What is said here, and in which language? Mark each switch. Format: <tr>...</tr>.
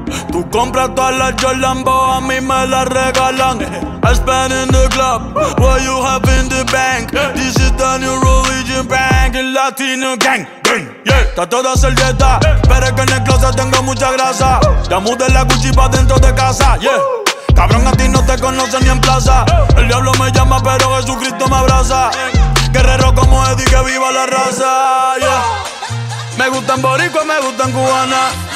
<es>Tú compras todas las Jolambo, a mí me las regalan.</es> <en>I spend in the club, what you have in the bank. This is the new religion bank, el latino gang.</en> <es>Está todo a hacer dieta, pero es que en el closet tengo mucha grasa. Ya mudé la Gucci pa' dentro de casa. Cabrón, a ti no te conocen ni en plaza. El diablo me llama pero Jesucristo me abraza. Guerrero como Eddie, que viva la raza. Me gustan boricuas, me gustan cubana.</es>